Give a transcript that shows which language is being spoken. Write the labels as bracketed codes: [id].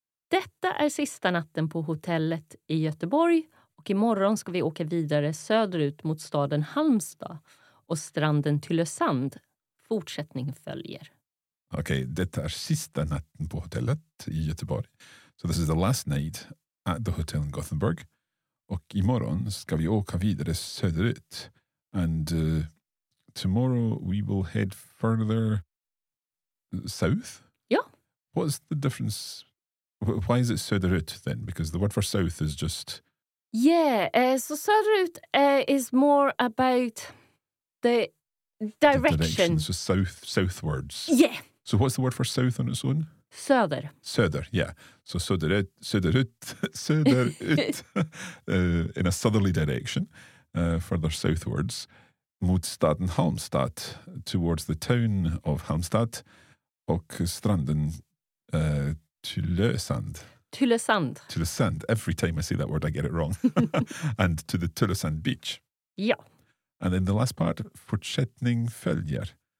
[sv] Detta är sista natten på hotellet i Göteborg och imorgon ska vi åka vidare söderut mot staden Halmstad och stranden Tylösand. Fortsättning följer. Okay, detta är sista natten på hotellet i Göteborg. [en] So this is the last night at the hotel in Gothenburg. [sv] Och imorgon ska vi åka vidare söderut. [en] And tomorrow we will head further south? [sv] Ja. [en] What's the difference? Why is it söderut then? Because the word for south is just... Yeah, so söderut is more about the direction. So southwards. Yeah. So what's the word for south on its own? [sv] Söder. [en] Söder, yeah. So söderut in a southerly direction, further southwards, [sv] mot staden Halmstad, [en] towards the town of Halmstad, [sv] och stranden... Tylösand. [en] Every time I say that word, I get it wrong. And to the Tylösand beach. [sv] Ja. [en] And then the last part, [sv] fortsättning följer.